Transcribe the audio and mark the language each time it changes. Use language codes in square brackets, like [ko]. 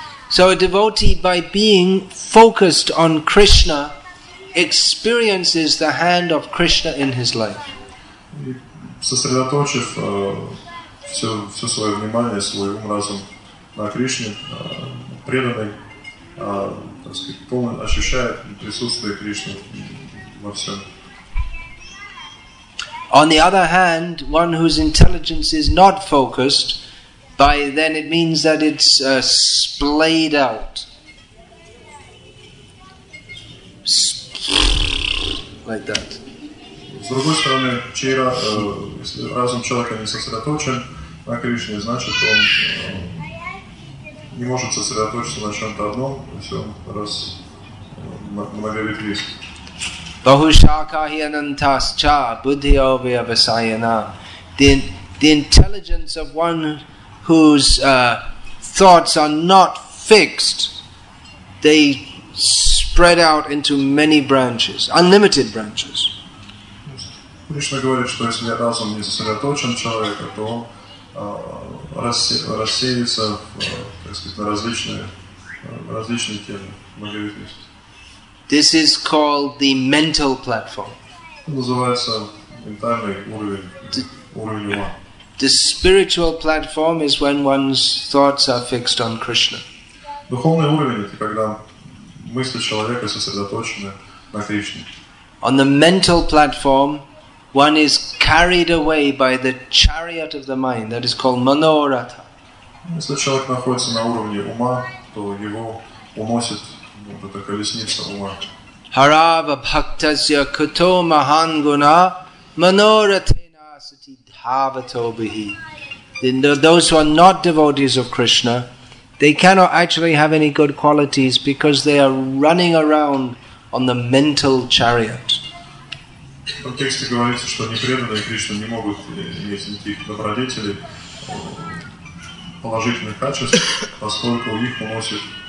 [en] So a devotee, by being focused on Krishna, experiences the hand of Krishna in his life. [ru] Сосредоточив все свое внимание, свой ум, разум на Кришне, преданный, так сказать, полный, ощущает присутствие Кришны во всем. [en] On the other hand, one whose intelligence is not focused, by then it means that it's splayed out. Like that. [ru] С другой стороны, если разум человека не сосредоточен на Кришне, значит, он не может сосредоточиться на чем-то одном, то есть он многовид риск. [sa] Bahushakahi anantascha buddhiyo vyavasayana. [en] The intelligence of one whose thoughts are not fixed, they spread out into many branches, unlimited branches. [ru] Кришна говорит, что если разум не сосредоточен человека, то он рассеется в, так сказать, на различные темы, многовидность. [en] This is called the mental platform. [ru] Называется ментальный уровень ума. [en] The spiritual platform is when one's thoughts are fixed on Krishna. [ru] Духовный уровень – это когда мысли человека сосредоточены на Кришне. [en] On the mental platform, one is carried away by the chariot of the mind, that is called Manoratha. [ru] Если человек находится на уровне ума, то его уносит. [sa] Harava bhaktasya kuto mahanguna manoratena sati dhavato bihi. [en] Those who are not devotees of Krishna, they cannot actually have any good qualities because they are running around on the mental chariot. [ru] В тексте говорится, что непреданные Кришне не могут иметь никаких добродетелей, положительных качеств, поскольку их уносит